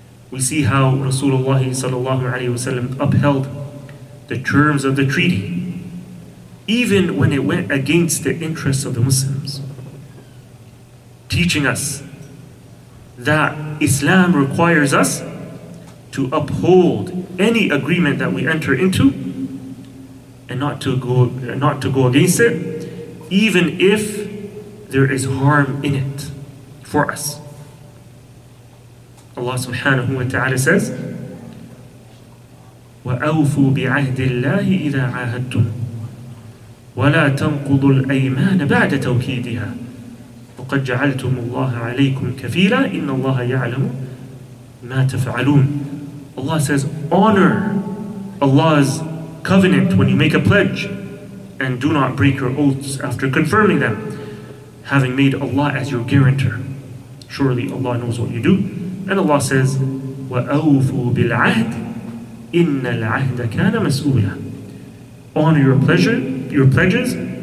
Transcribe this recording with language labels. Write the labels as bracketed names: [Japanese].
[English] We see how Rasulullah sallallahu alayhi wa sallam upheld the terms of the treaty, even when it went against the interests of the Muslims, teaching us that Islam requires us to uphold any agreement that we enter into and not to go against it, even if there is harm in it for us. Allah subhanahu wa ta'ala says, [Arabic] وَأَوْفُوا بِعَهْدِ اللَّهِ إِذَا عَاهَدْتُمْ وَلَا تَنْقُضُوا الْأَيْمَانَ بَعْدَ تَوْكِيدِهَا وَقَدْ جَعَلْتُمُ اللَّهَ عَلَيْكُمْ كَفِيلًا إِنَّ اللَّهَ يَعْلَمُ مَا تَفْعَلُونَ. [English] Allah says, honor Allah's covenant when you make a pledge, and do not break your oaths after confirming them, having made Allah as your guarantor. Surely Allah knows what you do. And Allah says, [Arabic] وَأَوْفُوا بِالْعَهْدِ إِنَّ الْعَهْدَ كَانَ مَسْؤُولًا. [English] Honor your pledges,